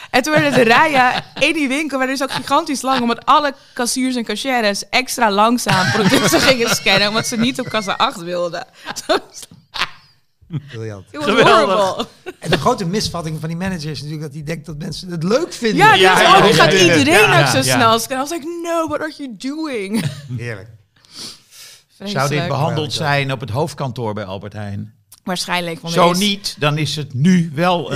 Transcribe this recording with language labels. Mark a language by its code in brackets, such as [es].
[nl] En toen werden de rijen in die winkel, werden dus ook gigantisch lang, omdat alle kassiers en kassières extra langzaam producten gingen scannen, omdat ze niet op kassa 8 wilden. Briljant. Geweldig. En de grote misvatting van die manager is natuurlijk dat hij denkt dat mensen het leuk vinden. Ja, die ja, ja, ja, gaat ja, iedereen ook zo snel. Ja. [en] En I was like, no, what are you doing? [nl] Heerlijk. Vreselijk. Zou dit behandeld zijn op het hoofdkantoor bij Albert Heijn? Waarschijnlijk. Zo is... niet, dan is het nu wel een,